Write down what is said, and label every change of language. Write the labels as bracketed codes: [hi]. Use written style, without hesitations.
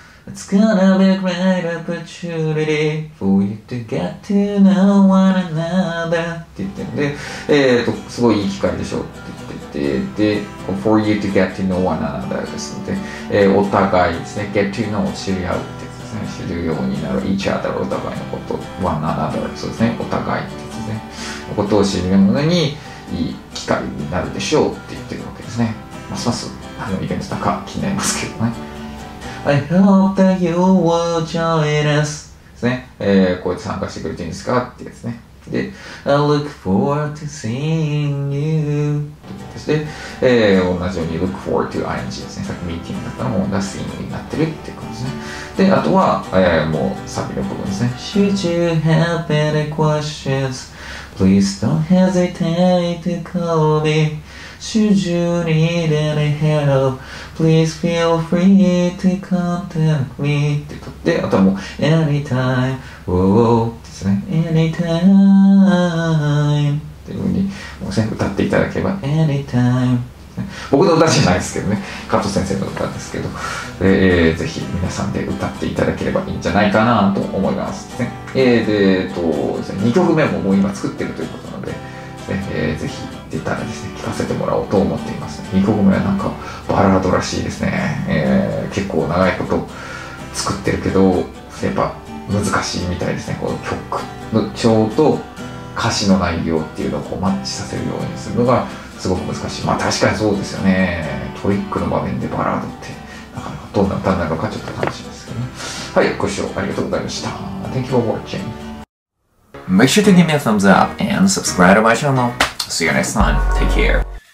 [en] It's gonna be a great opportunity for you to get to know one another [ja] って言ってるんで、すごいいい機会でしょって言ってて、で、 [en] for you to get to know one another [ja] ですので、お互いですね、get to know 知り合うってですね、知るようになる、each other お互いのこと、one another そうですね、お互いってですね、のことを知るものにいい機会になるでしょうって言ってるわけですね。ますます、あの、イベント高気になりますけどね。 [en] I hope that you will join us [ja] ですね、こうやって参加してくれていいんですかってやつね。で、 [en] I look forward to seeing you [ja] ですね、同じように look forward to ing ですね。さっきミーティングだったのもが seeing you になってるって感じですね。で、あとは、もうサビの部分ですね。 [en] Should you have any questions? Please don't hesitate to call meShould you need any help, please feel free to contact me. [ja] で、あとはもう、 [en] anytime, whoa, [ja] ですね。 [en] anytime. [ja] っていうふうに、もうですね、歌っていただければ、anytime. 僕の歌じゃないですけどね、加藤先生の歌ですけど、ぜひ皆さんで歌っていただければいいんじゃないかなと思います。ね、で、2曲目ももう今作ってるということなので、ぜひ出たらですね、聞かせてもらおうと思っています。 2曲目はなんかバラードらしいですね、結構長いこと作ってるけどやっぱ難しいみたいですね。この曲の調と歌詞の内容っていうのをこうマッチさせるようにするのがすごく難しい。まあ確かにそうですよね。トリックの場面でバラードってなかなかどんな歌になるのかちょっと楽しみですけどね。はい、ご視聴ありがとうございました。 [en] Thank you for watching. Make sure to give me a thumbs up and subscribe to my channel. See you next time. Take care.